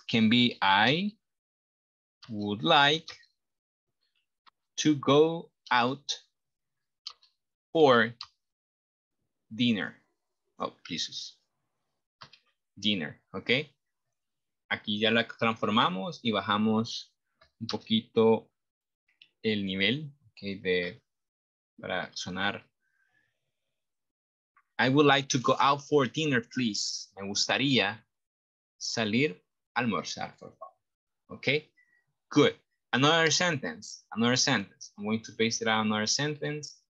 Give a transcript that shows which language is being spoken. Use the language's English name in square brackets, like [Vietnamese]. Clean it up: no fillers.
[English] Can be I would like to go out for dinner. Oh, Jesus. Dinner, okay? [Spanish] Aquí ya la transformamos y bajamos un poquito el nivel, okay, para sonar. [English] I would like to go out for dinner, please. [Spanish] Me gustaría salir a almorzar, por favor. Okay? Good. [English] Another sentence. I'm going to paste it out, another sentence.